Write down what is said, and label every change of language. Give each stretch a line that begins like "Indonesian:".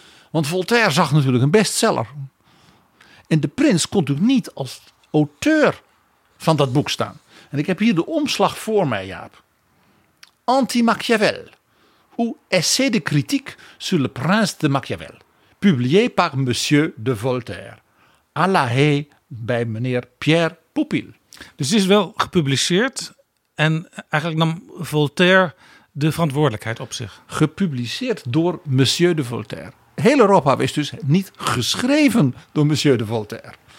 Dutch: Want Voltaire zag natuurlijk een bestseller. En de prins kon natuurlijk niet als auteur van dat boek staan. En ik heb hier de omslag voor mij, Jaap.
French: Anti-Machiavel. Ou essai de critique sur le prince de Machiavel. Publié par monsieur de Voltaire. À la haie
Dutch: bij meneer
French: Pierre Poupil.
Dutch: Dus het is wel gepubliceerd. En eigenlijk nam Voltaire de verantwoordelijkheid op zich. Gepubliceerd door monsieur de Voltaire. Heel Europa wist dus, niet geschreven door monsieur de Voltaire.